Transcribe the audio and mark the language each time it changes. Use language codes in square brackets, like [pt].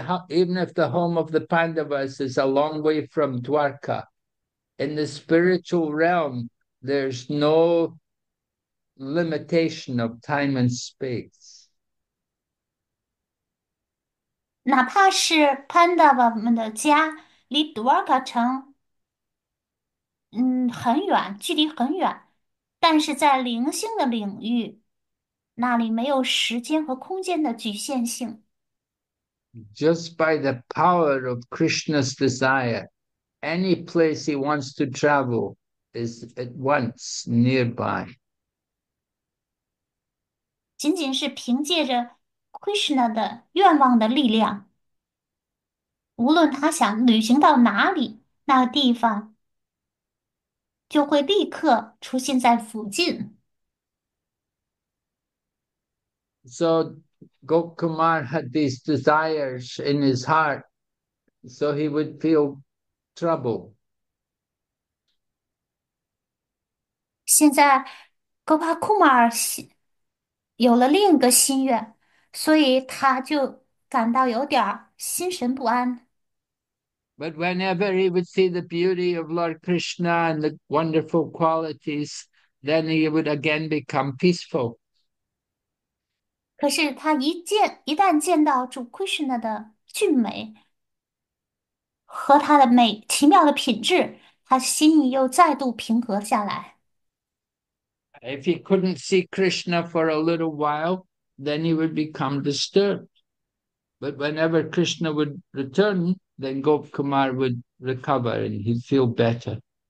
[en] Even if the home of the Pandavas is a long way from Dwarka, in the spiritual realm, there's no limitation of time and space. [zh] 哪怕是潘达瓦们的家离多尔卡城，很远，距离很远，但是在灵性的领域，那里没有时间和空间的局限性。 [en] Just by the power of Krishna's desire, any place he wants to travel is at once nearby. [zh] 仅仅是凭借着 Krishna 的愿望的力量。无论他想旅行到哪里，那个地方就会立刻出现在附近。 [en] So Gokumar had these desires in his heart, so he would feel trouble. [zh] 现在，Gopal Kumar 有了另一个心愿，所以他就感到有点心神不安。 [en] But whenever he would see the beauty of Lord Krishna and the wonderful qualities, then he would again become peaceful. [zh] 可是他一旦见到主 Krishna 的俊美和他的美奇妙的品质，他心意又再度平和下来。 [en] If he couldn't see Krishna for a little while, then he would become disturbed. But whenever Krishna would return, then Gop Kumar would recover and he'd feel better.